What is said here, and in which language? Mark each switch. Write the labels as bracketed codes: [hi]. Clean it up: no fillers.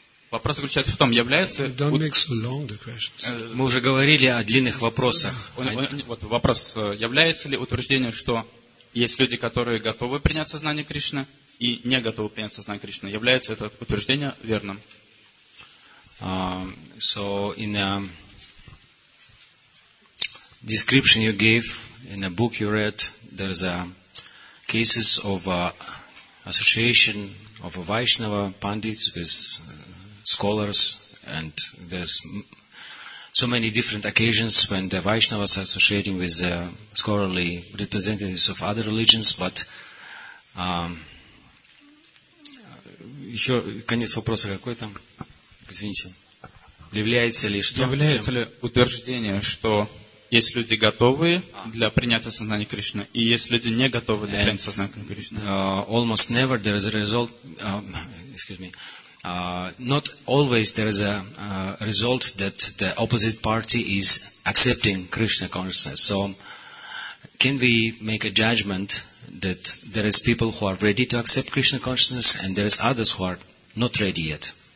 [ru] Вопрос заключается в том, является... [en] Don't make so long the questions. [ru] Мы уже говорили о длинных вопросах. Вот вопрос. Является ли утверждение, что есть люди, которые готовы принять сознание Кришны и не готовы принять сознание Кришны? Является это утверждение верным? [en] So in a description you gave, in a book you read, there's a cases of association of a Vaishnava pandits with scholars, and there's so many different occasions when the Vaishnavas are associating with the scholarly representatives of other religions, but [ru] еще конец вопроса какой там? Извините. Является ли что? Является ли утверждение, что есть люди готовые для принятия сознания Кришны, и есть люди не готовы для принятия сознания Кришны? [en] Almost never there is a result, excuse me, not always there is a result that the opposite party is accepting Krishna consciousness. So, can we make a judgment that there is people who are ready to accept Krishna consciousness and there is others who are not ready yet?